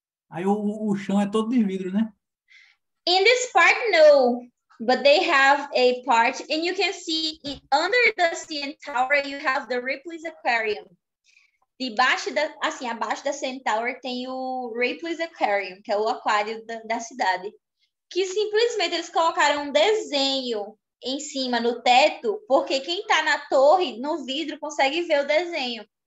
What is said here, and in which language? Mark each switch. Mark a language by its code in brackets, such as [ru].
[pt] Aí o chão é todo de vidro, né? [en] In this part, no. But they have a part, and you can see it, under the CN Tower, you have the Ripley's Aquarium. [pt] Debaixo da, assim, abaixo da CN Tower tem o Ripley's Aquarium, que é o aquário da cidade. Que simplesmente eles colocaram um desenho em cima, no teto, porque quem tá na torre, no vidro, consegue ver o desenho.